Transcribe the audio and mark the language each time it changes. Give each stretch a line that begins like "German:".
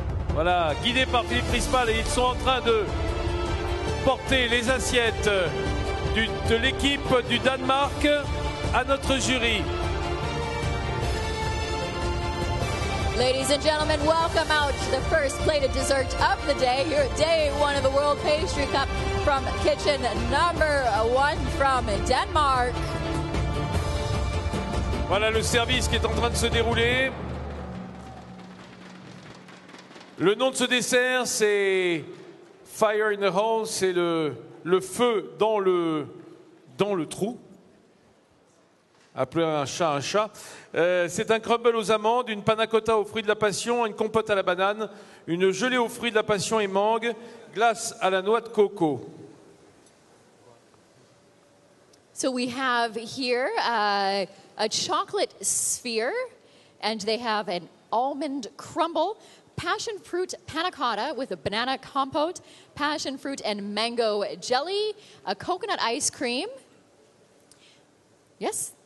French: Voilà, guidés par Philippe Prispal, et ils sont en train de porter les assiettes de l'équipe du Danemark à notre jury.
English: Ladies and gentlemen, welcome out to the first plate of dessert of the day. Here at day one of the World Pastry Cup from kitchen number one from Denmark.
French: Voilà le service qui est en train de se dérouler. Le nom de ce dessert, c'est Fire in the Hole, c'est le feu dans le trou. Appeler un chat un chat. C'est un crumble aux amandes, une panna cotta aux fruits de la passion, une compote à la banane, une gelée aux fruits de la passion et mangue, glace à la noix de coco.
English: So we have here a chocolate sphere, and they have an almond crumble, passion fruit panna cotta with a banana compote, passion fruit and mango jelly, a coconut ice cream. Yes?